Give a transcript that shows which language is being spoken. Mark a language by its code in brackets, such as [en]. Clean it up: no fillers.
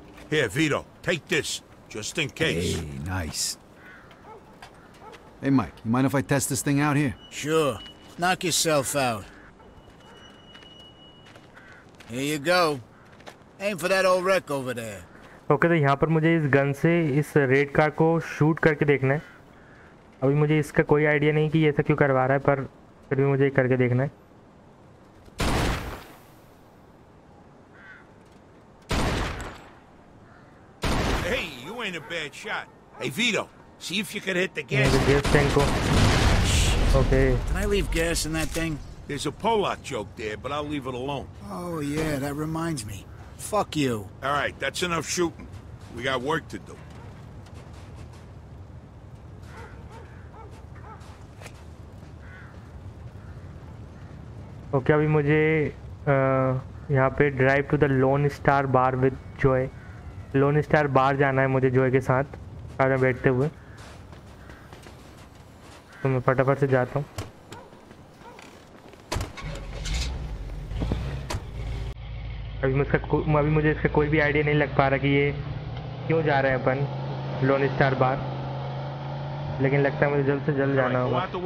[en] Here, Vito, take this, just in case. Hey, nice. Hey, Mike, you mind if I test this thing out here? Sure. Knock yourself out. Here you go. Aim for that old wreck over there. [hi] Okay, तो यहाँ पर मुझे इस gun से इस red car को shoot करके देखना है. अभी मुझे इसका कोई आइडिया नहीं कि ये ऐसा क्यों करवा रहा है, पर फिर भी मुझे करके देखना है. [en] Hey, you ain't a bad shot. Hey, Vito, see if you can hit the gas. The gas tank [hi] को. [en] Okay. Can I leave gas in that thing? There's a Polak joke there, but I'll leave it alone. Oh yeah, that reminds me. Fuck you. All right, that's enough shooting. We got work to do. Okay, [hi] अभी मुझे यहाँ पे [en] drive to the Lone Star Bar with Joy. [hi] Lone Star Bar जाना है मुझे Joy के साथ. Car में बैठते हुए. तो मैं फटाफट से जाता हूँ. अभी मुझे इसका कोई भी आइडिया नहीं लग पा रहा कि ये क्यों जा रहे हैं अपन लोन स्टार बार, लेकिन लगता है मुझे जल्द से जल्द जाना होगा.